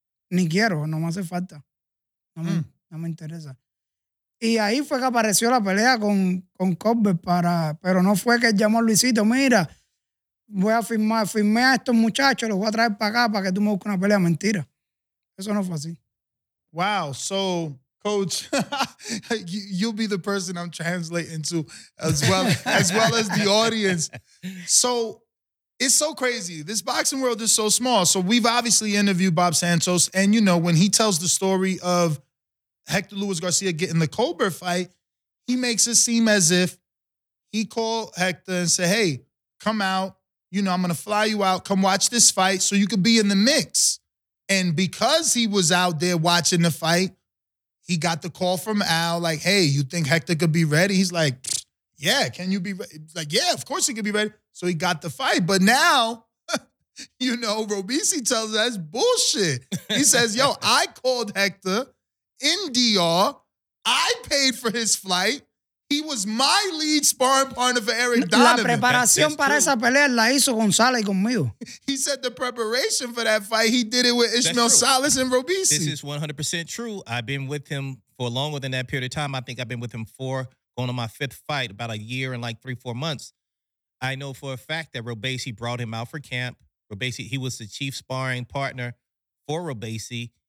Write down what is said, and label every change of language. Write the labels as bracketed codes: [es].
[es] Ni quiero, no me hace falta. No me interesa. Y ahí fue que apareció la pelea con Colbert pero no fue que él llamó a Luisito, mira, voy a firmé a estos muchachos, los voy a traer para acá para que tú me busques una pelea. Mentira. Eso no fue así. [en] Wow, so, coach, you'll be the person I'm translating to as well as the audience. So, it's so crazy. This boxing world is so small. So we've obviously interviewed Bob Santos. And, you know, when he tells the story of Hector Luis Garcia getting the Colbert fight, he makes it seem as if he called Hector and said, hey, come out. You know, I'm going to fly you out. Come watch this fight so you could be in the mix. And because he was out there watching the fight, he got the call from Al like, hey, you think Hector could be ready? He's like, yeah, can you be ready? Like, yeah, of course he could be ready. So he got the fight. But now, you know, Robisi tells us that's bullshit. He says, yo, I called Hector in DR. I paid for his flight. He was my lead sparring partner for Eric Donovan. [es] La preparación para esa pelea la hizo Gonzalo y conmigo. [en] He said the preparation for that fight, he did it with Ishmael Salas and Robisi. This is 100% true. I've been with him for longer than that period of time. I think I've been with him for going on my fifth fight, about a year and like 3-4 months. I know for a fact that Robesi brought him out for camp. Robesi, he was the chief sparring partner for Robesi.